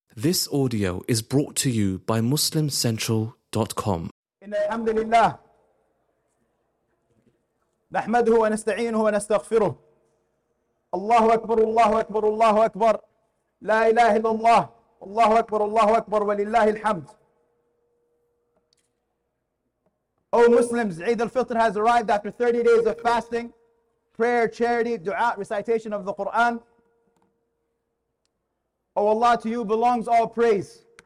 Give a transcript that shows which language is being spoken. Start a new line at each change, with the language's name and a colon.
English: This audio is brought to you by MuslimCentral.com.
Arabic: إن الحمد لله نحمده ونستعينه ونستغفره. الله أكبر الله أكبر الله أكبر لا إله إلا الله الله أكبر الله أكبر ولله الحمد.
English: O Muslims, Eid al-Fitr has arrived after 30 days of fasting, prayer, charity, dua, recitation of the Quran. O Allah, to you belongs all praise.